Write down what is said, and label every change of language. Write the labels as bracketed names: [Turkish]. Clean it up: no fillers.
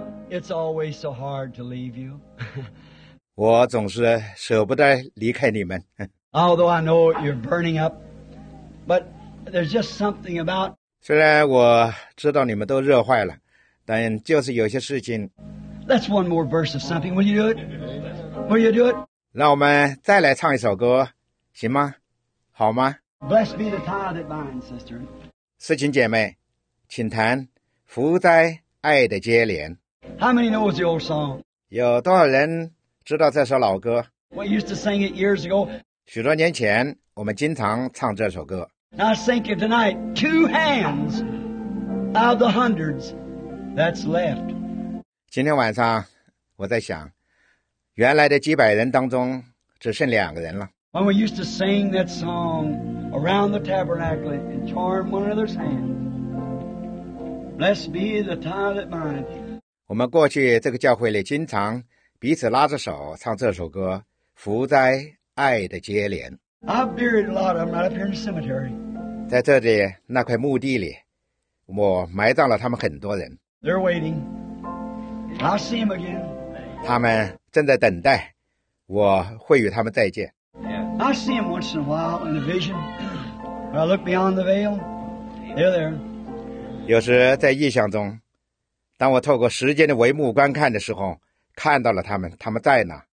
[English] It's always so hard to leave you. [Chinese] 我总是舍不得离开你们。 [English] Although I know you're burning up, but there's just something about. [Chinese] 虽然我知道你们都热坏了，但就是有些事情。 [English] That's one more verse of something. Will you do it? Will you do it? [Chinese] 让我们再来唱一首歌，行吗？好吗？ [English] Blessed be the tie that binds, sister. [Chinese] 四旬姐妹，请弹《福哉爱的接连》。 [English] How many knows the old song? [Chinese] 有多少人知道这首老歌？ [English] We used to sing it years ago. [Chinese] 许多年前，我们经常唱这首歌。 [English] Now sing it tonight. Two hands out of the hundreds that's left. [Chinese] 今天晚上，我在想。原来的几百人当中只剩两个人了。 [English] When we used to sing that song around the tabernacle and charm one another's hand, blessed be the tie that binds. [Chinese] 我们过去这个教会里经常彼此拉着手唱这首歌，福哉爱的接连。 [English] I've buried a lot of them right up here in the cemetery. [Chinese] 在这里那块墓地里，我埋葬了他们很多人。 [English] They're waiting. I'll see them again. [Chinese] 他们。正在等待，我会与他们再见。 [English] I see him once in a while in a vision. Now look beyond the veil. They're there. [Chinese] 有时在异象中，当我透过时间的帷幕观看的时候，看到了他们，他们在哪。